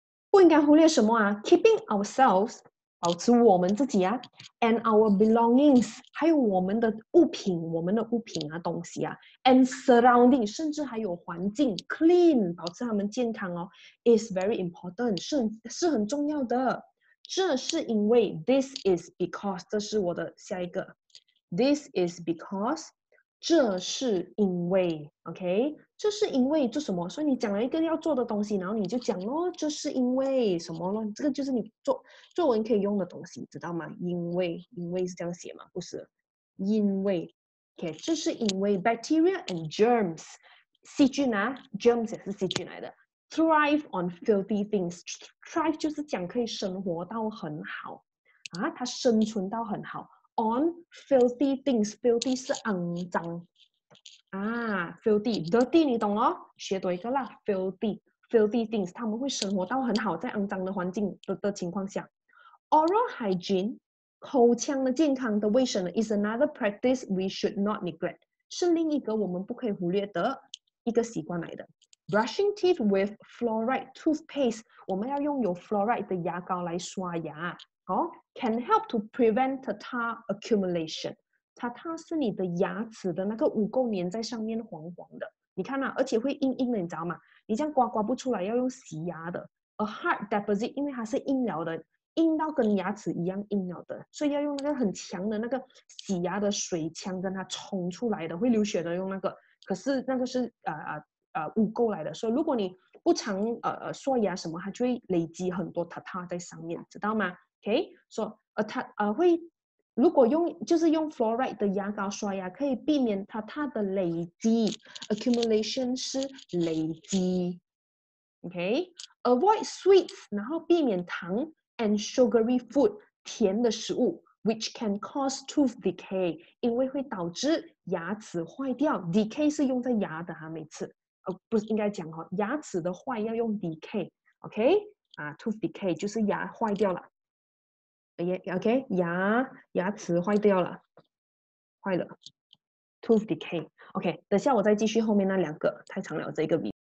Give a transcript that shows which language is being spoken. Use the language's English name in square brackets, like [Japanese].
[English] 不应该忽略什么啊 ？Keeping ourselves [Chinese] 保持我们自己啊 [English] ，and our belongings [Chinese] 还有我们的物品啊东西啊 [English] ，and surrounding [Chinese] 甚至还有环境 [English] clean [Chinese] 保持他们健康哦 [English] ，is very important [Chinese] 是很重要的。这是因为 [English] this is because [Chinese] 这是我的下一个 ，this is because。这是因为 OK， 这是因为做什么？所以你讲了一个要做的东西，然后你就讲咯，这是因为什么咯？这个就是你做作文可以用的东西，知道吗？因为是这样写吗？不是，因为 OK， 这是因为 [English] bacteria and germs， [Chinese] 细菌啊 ，germs 也是细菌来的。 [English] Thrive on filthy things， [Chinese] thrive 就是讲可以生活到很好啊，它生存到很好。 [English] On filthy things， [Chinese] filthy 是肮脏啊， [English] filthy dirty [Chinese] 你懂哦，学多一个啦， [English] filthy filthy things， [Chinese] 他们会生活到很好，在肮脏的环境 的情况下。 [English] Oral hygiene， [Chinese] 口腔的健康的卫生 [English] is another practice we should not neglect， [Chinese] 是另一个我们不可以忽略的一个习惯来的。 [English] Brushing teeth with fluoride toothpaste， [Chinese] 我们要用有 fluoride 的牙膏来刷牙好 [English] ，can help to prevent tartar accumulation。 [Chinese] tartar 是你的牙齿的那个污垢粘在上面，黄黄的。你看啊，而且会硬硬的，你知道吗？你这样刮刮不出来，要用洗牙的。 [English] A hard deposit， [Chinese] 因为它是硬了的，硬到跟牙齿一样硬了的，所以要用那个很强的那个洗牙的水枪跟它冲出来的，会流血的，用那个。可是那个是污垢来的，所以如果你不常刷牙什么，它就会累积很多 tartar 在上面，知道吗？ OK， 所以会如果用就是用 fluoride 的牙膏刷牙，可以避免它的累积 accumulation 是累积。 [English] OK， avoid sweets， [Chinese] 然后避免糖 [English] and sugary food [Chinese] 甜的食物 [English] ，which can cause tooth decay， [Chinese] 因为会导致牙齿坏掉。 Decay 是用在牙的哈，每次不是应该讲哈，牙齿的坏要用 decay。 OK， [English] tooth decay [Chinese] 就是牙坏掉了。OK， 牙齿坏掉了，坏了 ，tooth decay。OK， 等下我再继续后面那两个，太长了这个 video。